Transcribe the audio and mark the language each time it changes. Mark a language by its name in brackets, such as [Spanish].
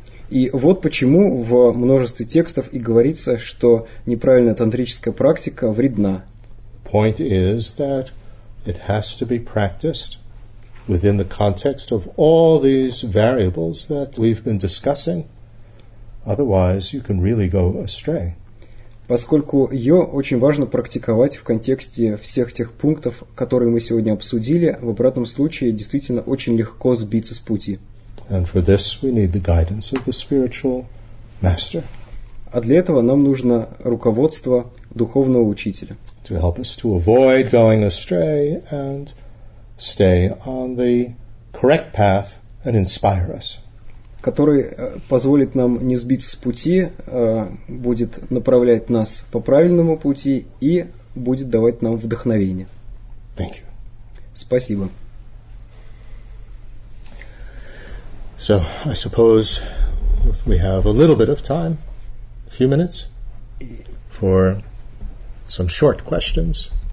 [Russian] И вот почему в множестве текстов и говорится, что неправильная тантрическая практика вредна. [English] Point is that it has to be practiced within the context of all these variables that we've been discussing. Otherwise, you can really go astray. [Russian] Поскольку ее очень важно практиковать в контексте всех тех пунктов, которые мы сегодня обсудили, в обратном случае действительно очень легко сбиться с пути. [English] And for this we need the guidance of the spiritual master. [Russian] А для этого нам нужно руководство духовного учителя. [English] To help us to avoid going astray and stay on the correct path and inspire us. [Russian] Который позволит нам не сбить с пути, будет направлять нас по правильному пути и будет давать нам вдохновение. [English] Thank you. [Russian] Спасибо. [English] So, I suppose we have a little bit of time, a few minutes, for some short questions.